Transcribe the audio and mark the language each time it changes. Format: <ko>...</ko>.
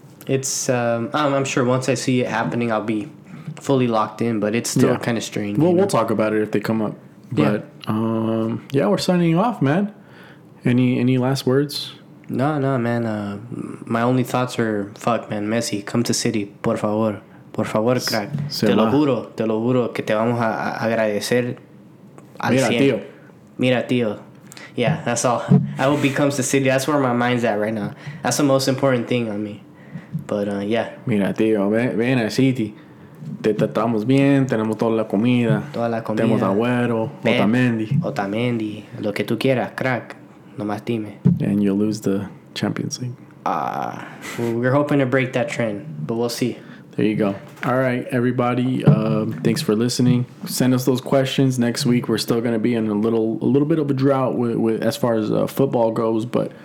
<en>It's I'm sure once I see it happening, I'll be fully locked in, but it's still kind of strange. Well, we'll talk about it if they come up. But yeah, we're signing off, man. Any last words? No, man. My only thoughts are fuck, man. Messi, come to City,</en> <es>por favor. Por favor, crack. Te lo juro que te vamos a agradecer al cien. Mira, tío.</es> <en>Yeah, that's all. I hope he comes to City. That's where my mind's at right now. That's the most important thing on me. But, yeah.</en> <es>Mira, tío, ven a City. Te tratamos bien, tenemos toda la comida. Toda la comida. Tenemos Agüero, Otamendi. Otamendi, lo que tú quieras, crack. Nomás dime.</es> <en>And you'll lose the Champions League. We're hoping to break that trend, but we'll see. There you go. All right, everybody. Thanks for listening. Send us those questions next week. We're still going to be in a little bit of a drought with as far as football goes, but</en>